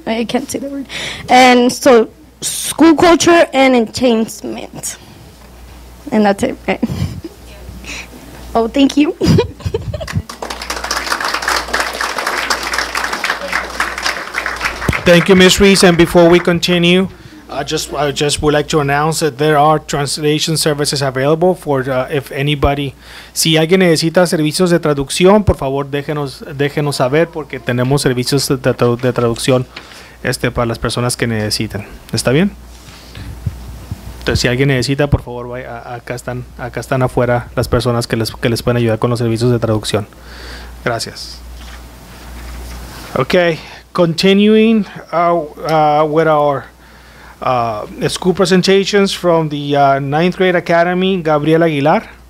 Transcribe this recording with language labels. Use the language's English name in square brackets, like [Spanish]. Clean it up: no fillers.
[English] I can't say the word. And so, school culture and enhancement. And that's it. Oh, thank you. Thank you, Ms. Reese. And before we continue, I just would like to announce that there are translation services available for if anybody. [Spanish] Si alguien necesita servicios de traducción, por favor, déjenos saber porque tenemos servicios de traducción para las personas que necesitan. ¿Está bien? Entonces, si alguien necesita, por favor, acá están afuera las personas que les pueden ayudar con los servicios de traducción. Gracias. [English] Okay, continuing with our school presentations from the Ninth Grade Academy, Gabriel Aguilar.